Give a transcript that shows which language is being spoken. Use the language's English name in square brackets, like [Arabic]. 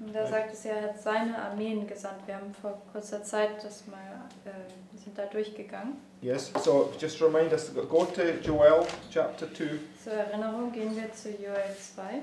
[German] Er sagt es ja, er hat seine Armeen gesandt. Wir haben vor kurzer Zeit das mal sind da durchgegangen. [English] Yes, so just remind us, go to Joel chapter 2. [German] Zur Erinnerung gehen wir zu Joel 2.